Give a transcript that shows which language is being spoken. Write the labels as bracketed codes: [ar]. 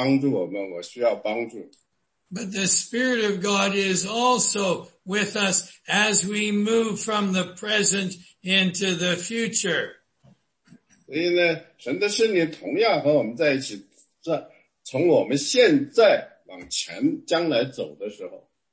[zh] 因为圣灵现在，他也在这里。但是我们要说，主啊，我们把你，把我交托在圣灵手里。主啊，请你现在这一刻来帮助我们，我需要帮助。 [en] But the Spirit of God is also with us as we move from the present into the future. [zh] 所以呢，神的圣灵同样和我们在一起，这。从我们现在往前将来走的时候,